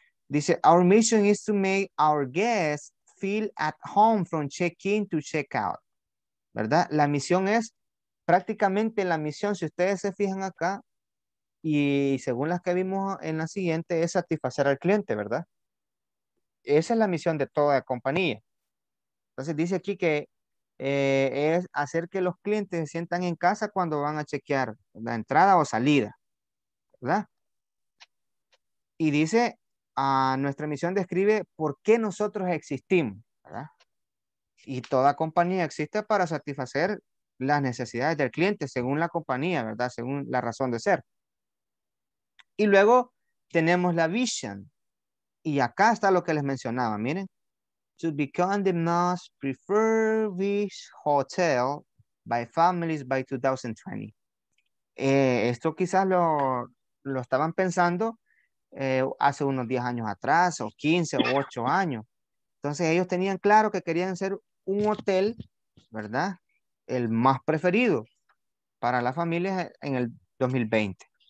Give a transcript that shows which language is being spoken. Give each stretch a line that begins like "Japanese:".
English: Dice, our mission is to make our guests feel at home from check-in to check-out.
Spanish: ¿Verdad? La misión es. Prácticamente la misión, si ustedes se fijan acá, y según las que vimos en la siguiente, es satisfacer al cliente, ¿verdad? Esa es la misión de toda la compañía. Entonces dice aquí que es hacer que los clientes se sientan en casa cuando van a chequear la entrada o salida, ¿verdad? Y dice, nuestra misión describe por qué nosotros existimos, ¿verdad? Y toda compañía existe para satisfacer las necesidades del cliente según la compañía, ¿verdad? Según la razón de ser. Y luego tenemos la vision. Y acá está lo que les mencionaba, miren.
English: To become the most preferred beach hotel by families by 2020.
Spanish: Esto quizás lo estaban pensando hace unos 10 años atrás, o 15, o 8 años. Entonces ellos tenían claro que querían ser un hotel ¿verdad? El más preferido para las familias en el 2020.